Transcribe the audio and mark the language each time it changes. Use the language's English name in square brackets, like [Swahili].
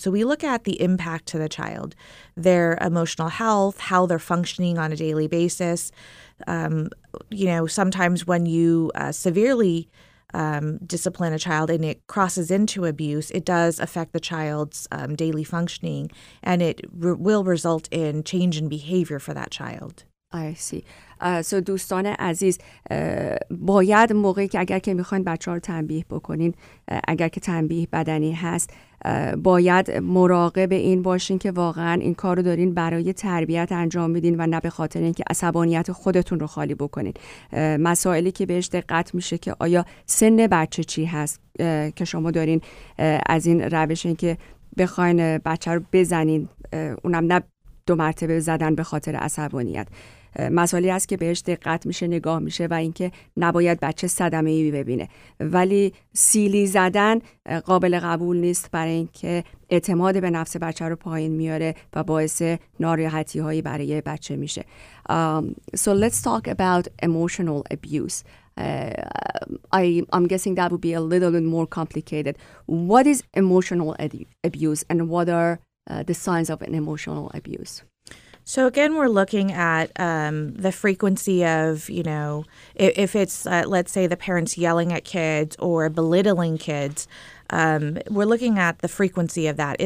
[English] So we look at the impact to the child, their emotional health, how they're functioning on a daily basis. You know, sometimes when you severely discipline a child and it crosses into abuse, it does affect the child's daily functioning, and it will result in change in behavior for that child. I see. [Persian] So دوستان عزیز باید موقعی که اگر که میخواین بچه ها رو تنبیه بکنین اگر که تنبیه بدنی هست باید مراقب این باشین که واقعا این کار رو دارین برای تربیت انجام میدین و نه به خاطر اینکه عصبانیت خودتون رو خالی بکنین. مسائلی که بهش دقت میشه که آیا سن بچه چی هست که شما دارین از این روش این که بخواین بچه رو بزنین اونم نه دو مرتبه زدن به خاطر عصبانیت. مسئله است که بهش دقت میشه، نگاه میشه و اینکه نباید بچه صدمه ای ببینه. ولی سیلی زدن قابل قبول نیست، برای اینکه اعتماد به نفس بچه رو پایین میاره و باعث ناراحتی هایی برای بچه میشه. [English] So let's talk about emotional abuse. I'm guessing that would be a little bit more complicated. What is emotional abuse and what are the signs of an emotional abuse? So again, we're looking at the frequency of, you know, if it's, let's say, the parents yelling at kids or belittling kids, we're looking at the frequency of that.